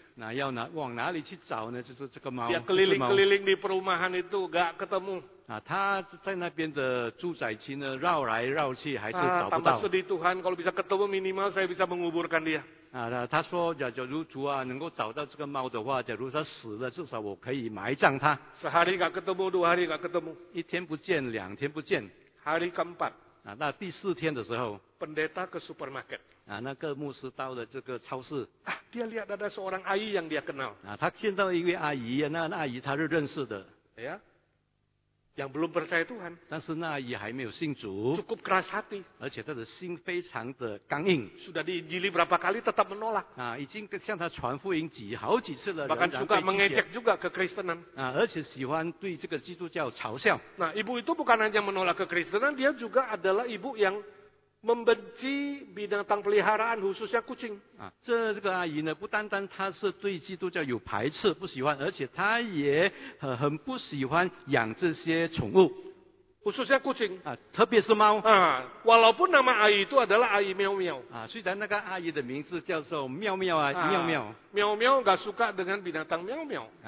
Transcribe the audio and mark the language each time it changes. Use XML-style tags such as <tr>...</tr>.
<zh>那要往哪里去找呢？就是这个猫。</zh> <id>Dia keliling di perumahan itu, gak ketemu.</id> <zh>他在那边的住宅区呢，绕来绕去还是找不到。</zh> <id>Tambah sedih Tuhan, kalau bisa ketemu minimal saya bisa menguburkan dia.</id> <zh>他说，假如主啊能够找到这个猫的话，假如他死了，至少我可以埋葬他。</zh> <id>Sehari gak ketemu, dua hari gak ketemu.</id> <zh>一天不见，两天不见。</zh> <id>Hari keempat.</id> <zh>那第四天的时候。</zh> <id>Pendeta ke supermarket.</id> <zh>那个牧师到了这个超市。</zh> <id>Dia lihat ada seorang ayi yang dia kenal.</id> <zh>他见到一位阿姨，那阿姨他是认识的。</zh> <id>Ya. Yang belum percaya Tuhan.</id> <zh>但是那阿姨还没有信主。</zh> <id>Cukup keras hati.</id> <zh>而且她的心非常的刚硬。</zh> <id>Sudah diinjili berapa kali tetap menolak.</id> <zh>已经向她传福音好几次了。</zh> <id>Bahkan suka mengejek juga kekristenan.</id> <zh>而且喜欢对这个基督教嘲笑。</zh> <id>Nah, ibu itu bukan hanya menolak kekristenan, dia juga adalah ibu yang membenci binatang peliharaan, khususnya kucing.</id> <zh>这个阿姨呢，不单单她是对基督教有排斥、不喜欢，而且她也很不喜欢养这些宠物。</zh> <id>khususnya kucing.</id> <zh>特别是猫。</zh> <id>Walaupun nama ayi itu adalah ayi miau-miau.</id> <zh>虽然那个阿姨的名字叫做喵喵啊，喵喵。</zh> <id>喵喵 gak suka dengan binatang miau-miau.</id>